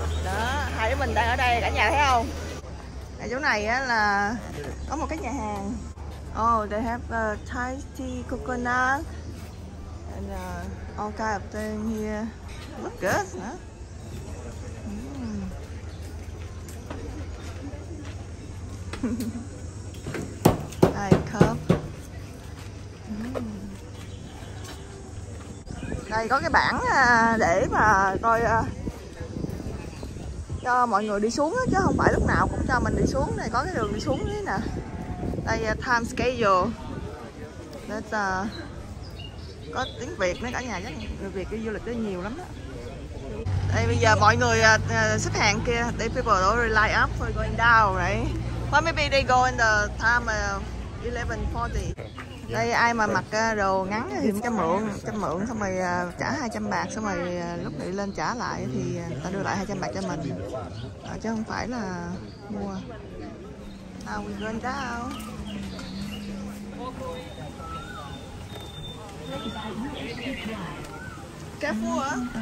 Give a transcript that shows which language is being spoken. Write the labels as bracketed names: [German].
[Vietnamese] Đó, hai đứa mình đang ở đây cả nhà thấy không? Ở chỗ này á là có một cái nhà hàng. [English] Oh, they have Thai tea, coconut and all kind of thing here. Look good, huh? [Vietnamese] Đây, cup. Đây có cái bảng để mà coi cho mọi người đi xuống đó, chứ không phải lúc nào cũng cho mình đi xuống. Này có cái đường đi xuống đấy nè. Đây time schedule. Đó có tiếng Việt nữa cả nhà, chắc người Việt đi du lịch rất nhiều lắm đó. Đây bây giờ mọi người xếp hàng kia. [English] They people already line up for going down, right? Or maybe they go in the time 11:40. [Vietnamese] Đây ai mà mặc đồ ngắn thì cho mượn xong rồi trả 200 bạc, xong rồi lúc đi lên trả lại thì ta đưa lại 200 bạc cho mình. Chứ không phải là mua. [English] Now we're going down. [Vietnamese] Ca Phú á.